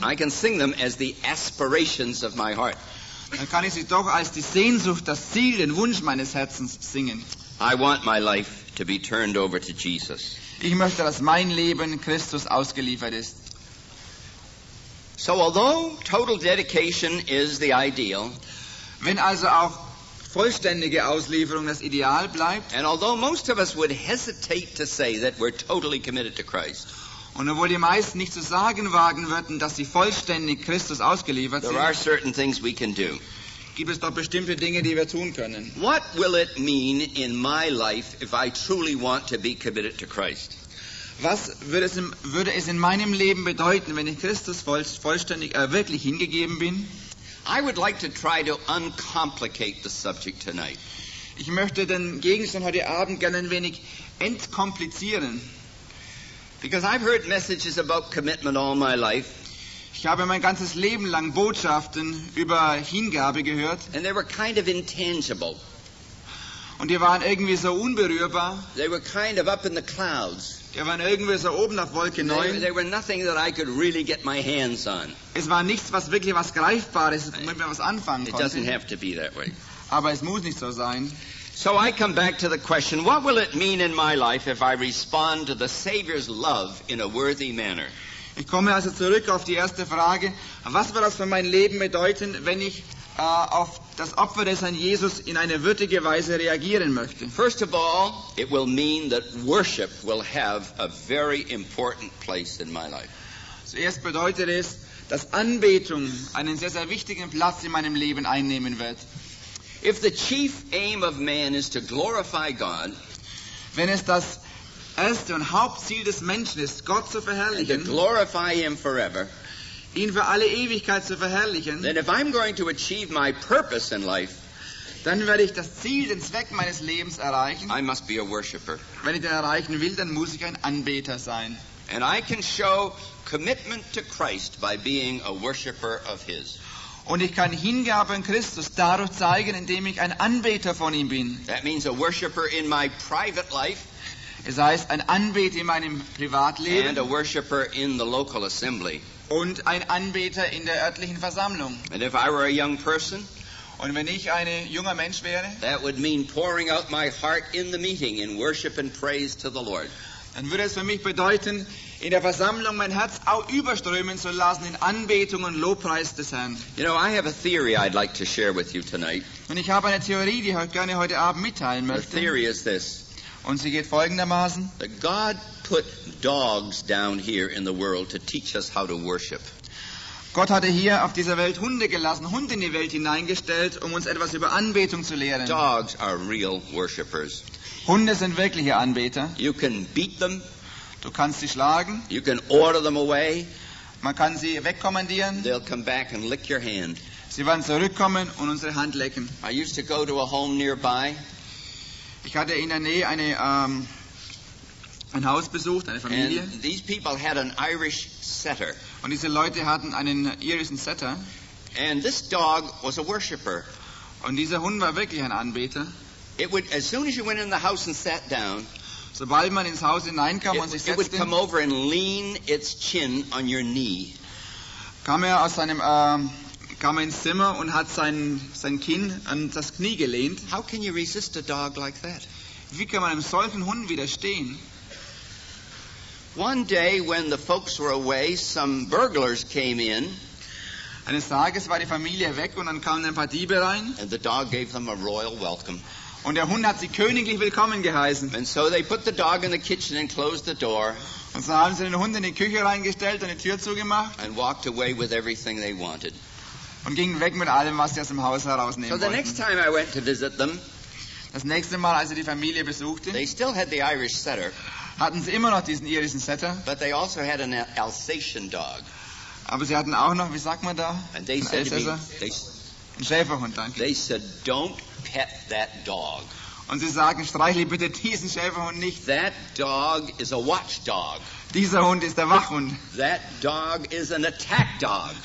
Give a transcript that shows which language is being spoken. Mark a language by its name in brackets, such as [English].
[English] I can sing them as the aspirations of my heart. [German] Dann kann ich sie doch als die Sehnsucht, das Ziel, den Wunsch meines Herzens singen. [English] I want my life to be turned over to Jesus. [German] Ich möchte, dass mein Leben Christus ausgeliefert ist. [English] So although total dedication is the ideal, [German] wenn also auch vollständige Auslieferung das Ideal bleibt, [English] and although most of us would hesitate to say that we're totally committed to Christ, [German] und obwohl die meisten nicht zu sagen wagen würden, dass sie vollständig Christus ausgeliefert [English] there [German] sind, [English] are certain things we can do. [German] Gibt es doch bestimmte Dinge, die wir tun können. [English] What will it mean in my life if I truly want to be committed to Christ? [German] Was würde es in meinem Leben bedeuten, wenn ich Christus vollständig wirklich hingegeben bin? [English] I would like to try to uncomplicate the subject tonight. [German] Ich möchte den Gegenstand heute Abend gerne ein wenig entkomplizieren. [English] Because I've heard messages about commitment all my life. [German] Ich habe mein ganzes Leben lang Botschaften über Hingabe gehört. [English] And they were kind of intangible. [German] Und die waren irgendwie so unberührbar. [English] They were kind of up in the clouds. [German] Die waren irgendwie so oben auf Wolke 9. [English] They were nothing that I could really get my hands on. [German] Es war nichts, was wirklich was Greifbares, womit man was anfangen konnte. [English] It doesn't have to be that way. [German] Aber es muss nicht so sein. [English] So I come back to the question, what will it mean in my life if I respond to the Savior's love in a worthy manner? [German] Ich komme also zurück auf die erste Frage, was wird das für mein Leben bedeuten, wenn ich auf das Opfer des Herrn Jesus in eine würdige Weise reagieren möchte? [English] First of all, it will mean that worship will have a very important place in my life. [German] Zuerst bedeutet es, dass Anbetung einen sehr, sehr wichtigen Platz in meinem Leben einnehmen wird. [English] If the chief aim of man is to glorify God, [German] wenn es das erste und Hauptziel des Menschen ist, Gott zu verherrlichen, [English] and to glorify him forever, [German] ihn für alle Ewigkeit zu verherrlichen, [English] then if I'm going to achieve my purpose in life, [German] dann werde ich das Ziel, den Zweck meines Lebens erreichen, [English] I must be a worshipper. [German] Wenn ich den erreichen will, dann muss ich ein Anbeter sein. [English] And I can show commitment to Christ by being a worshipper of his. [German] Und ich kann Hingabe an Christus dadurch zeigen, indem ich ein Anbeter von ihm bin. [English] That means a worshipper in my private life. [German] Es heißt, ein Anbeter in meinem Privatleben. [English] And a worshipper in the local assembly. [German] Und ein Anbeter in der örtlichen Versammlung. [English] And if I were a young person, [German] und wenn ich ein junger Mensch wäre, [English] that would mean pouring out my heart in the meeting in worship and praise to the Lord. [German] Dann würde es für mich bedeuten, in der Versammlung mein Herz auch überströmen zu lassen in Anbetung und Lobpreis des Herrn. [English] You know, I have a theory I'd like to share with you tonight. [German] Und ich habe eine Theorie, die ich euch gerne heute Abend mitteilen möchte. [English] The theory is this. [German] Und sie geht folgendermaßen. [English] That God put dogs down here in the world to teach us how to worship. [German] Gott hatte hier auf dieser Welt Hunde gelassen, Hunde in die Welt hineingestellt, um uns etwas über Anbetung zu lehren. [English] Dogs are real worshippers. [German] Hunde sind wirkliche Anbeter. [English] You can beat them. [German] Du kannst sie schlagen. [English] You can order them away. [German] Man kann sie wegkommandieren. [English] They'll come back and lick your hand. [German] Sie werden zurückkommen und unsere Hand lecken. [English] I used to go to a home nearby. [German] Ich hatte in der Nähe eine ein Haus besucht, eine Familie. [English] And these people had an Irish setter. [German] Und diese Leute hatten einen irischen Setter. [English] And this dog was a worshipper. [German] Und dieser Hund war wirklich ein Anbeter. [English] It would, as soon as you went in the house and sat down, [German] sobald man ins Haus hineinkam und sich setzte, [English] it would come over and lean its chin on your knee. [German] Kam er aus seinem kam er ins Zimmer und hat sein Kinn an das Knie gelehnt. [English] How can you resist a dog like that? [German] Wie kann man einem solchen Hund widerstehen? [English] One day when the folks were away, some burglars came in. [German] Eines Tages war die Familie weg und dann kamen ein paar Diebe rein. [English] And the dog gave them a royal welcome. [German] Und der Hund hat sie königlich willkommen geheißen. [English] And so they put the dog in the kitchen and closed the door. [German] Und so haben sie den Hund in die Küche reingestellt und die Tür zugemacht. [English] And walked away with everything they wanted. [German] Und gingen weg mit allem, was sie aus dem Haus herausnehmen wollten. [English] So the next time I went to visit them, [German] das nächste Mal, als ich die Familie besuchte, [English] they still had the Irish setter, [German] hatten sie immer noch diesen irischen Setter. [English] But they also had an Alsatian dog. [German] Aber sie hatten auch noch, wie sagt man da? [English] And they said to me, [German] ein Schäferhund, danke. [English] They said, don't pet that dog. [German] Und sie sagen, streichle bitte diesen Schäferhund nicht. [English] That dog is a watchdog. [German] Dieser Hund ist der Wachhund. [English] That dog is an attack dog.